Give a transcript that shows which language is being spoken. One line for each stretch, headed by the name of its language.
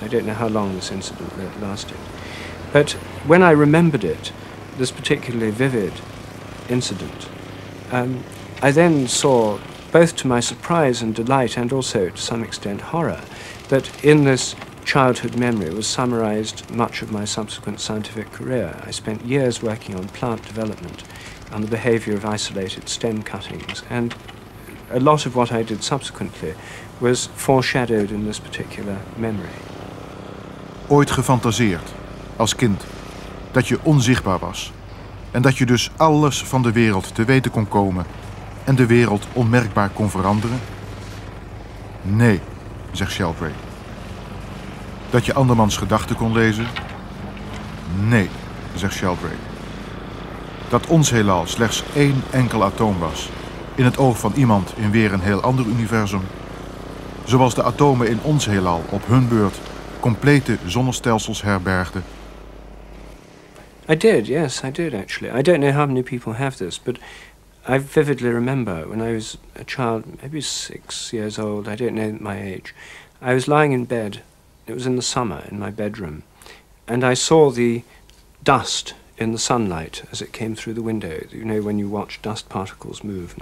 English: I don't know how long this incident lasted. But when I remembered it, this particularly vivid incident, I then saw, both to my surprise and delight, and also to some extent horror, that in this childhood memory was summarized much of my subsequent scientific career. I spent years working on plant development, on the behavior of isolated stem cuttings, and a lot of what I did subsequently was foreshadowed in this particular memory.
Dutch: Ooit gefantaseerd, als kind, dat je onzichtbaar was en dat je dus alles van de wereld te weten kon komen en de wereld onmerkbaar kon veranderen? Nee, zegt Sheldrake. Dat je andermans gedachten kon lezen? Nee, zegt Sheldrake. Dat ons heelal slechts één enkel atoom was, in het oog van iemand in weer een heel ander universum, zoals de atomen in ons heelal op hun beurt complete zonnestelsels herbergden.
English: I did, yes, I did actually. I don't know how many people have this, but I vividly remember when I was a child, maybe 6 years old, I don't know my age, I was lying in bed, it was in the summer, in my bedroom, and I saw the dust in the sunlight as it came through the window, you know, when you watch dust particles move.